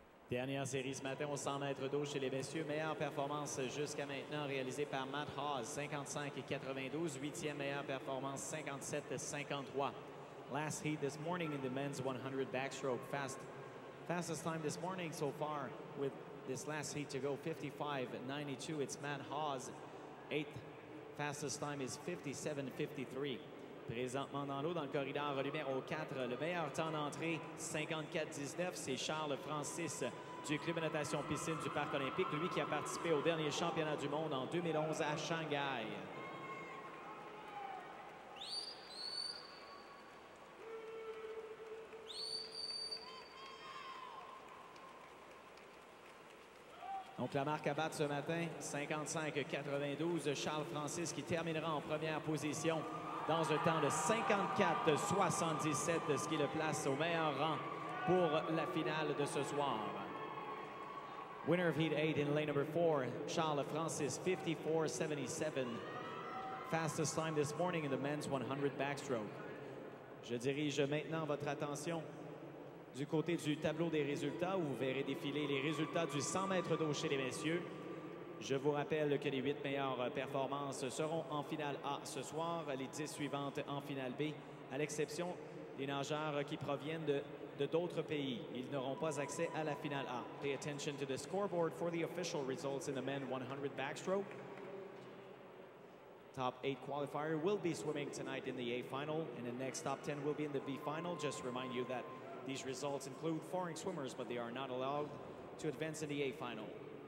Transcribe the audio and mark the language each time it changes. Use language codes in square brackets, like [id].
[fr] Dernière série ce matin au 100 mètres d'eau chez les messieurs. Meilleure performance jusqu'à maintenant réalisée par Matt Hawes, 55.92. Huitième meilleure performance, 57.53. [en] Last heat this morning in the men's 100 backstroke. Fastest time this morning so far with this last heat to go, 55.92. It's Matt Hawes, 8th. Fastest time is 57.53. [fr] Présentement dans l'eau, dans le corridor numéro 4, le meilleur temps d'entrée, 54-19, c'est Charles Francis du Club de natation piscine du Parc olympique, lui qui a participé au dernier championnat du monde en 2011 à Shanghai. Donc la marque à battre ce matin, 55-92, Charles Francis qui terminera en première position dans un temps de 54-77, ce qui le place au meilleur rang pour la finale de ce soir. [en] Winner of heat 8 in lane number 4, Charles Francis, 54-77. Fastest time this morning in the men's 100 backstroke. [fr] Je dirige maintenant votre attention du côté du tableau des résultats où vous verrez défiler les résultats du 100 mètres d'eau chez les messieurs. Je vous rappelle que les 8 meilleures performances seront en finale A ce soir, les 10 suivantes en finale B, à l'exception des nageurs qui proviennent de d'autres pays. Ils n'auront pas accès à la finale A. [en] Pay attention to the scoreboard for the official results in the men 100 backstroke. Top 8 qualifier will be swimming tonight in the A final, and the next top 10 will be in the B final. Just to remind you that these results include foreign swimmers, but they are not allowed to advance in the A final.